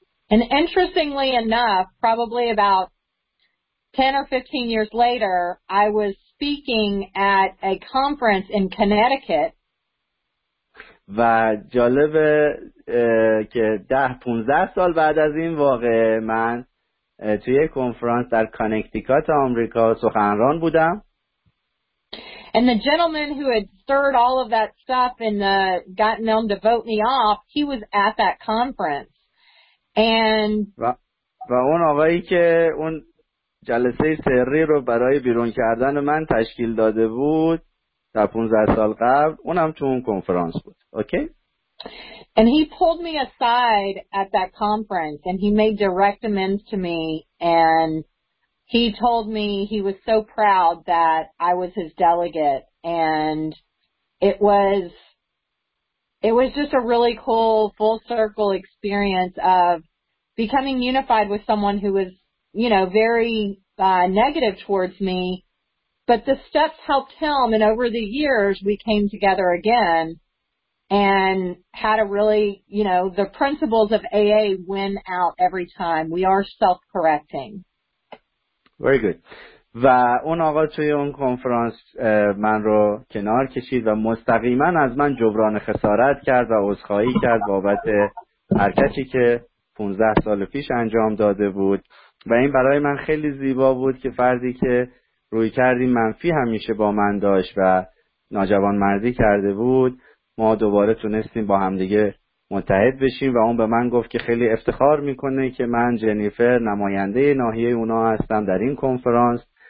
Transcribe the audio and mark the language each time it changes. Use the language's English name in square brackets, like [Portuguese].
[English] And interestingly enough, probably about 10 or 15 years later, I was speaking at a conference in Connecticut. [Persian] و جالب که 10-15 سال بعد از این واقع من توی یک کنفرانس در کانکتیکات آمریکا سخنران بودم. [English] And the gentleman who had stirred all of that stuff and gotten them to vote me off, he was at that conference. And [Persian] و و اون آقایی که اون جلسه سری رو برای بیرون کردن من تشکیل داده بود تا 15 سال قبل، اونم تو اون کنفرانس بود. اوکی؟ [English] And he pulled me aside at that conference and he made direct amends to me and he told me he was so proud that I was his delegate and it was just a really cool full circle experience of becoming unified with someone who was, you know, very negative towards me, but the steps helped him and over the years we came together again and had a really, you know, the principles of AA win out every time. We are self-correcting. Very good. [Persian] و اون آقا توی اون کنفرانس من رو کنار کشید و مستقیما از من جبران خسارت کرد و عذرخواهی کرد بابت حرکتی که 15 سال پیش انجام داده بود و این برای من خیلی زیبا بود که فردی که روی کردی منفی همیشه با من داشت و ناجوان مردی کرده بود، ما دوباره تونستیم با همدیگه متحد بشیم و اون به من گفت که خیلی افتخار میکنه که من جنیفر نماینده ناحیه اونا هستم در این کنفرانس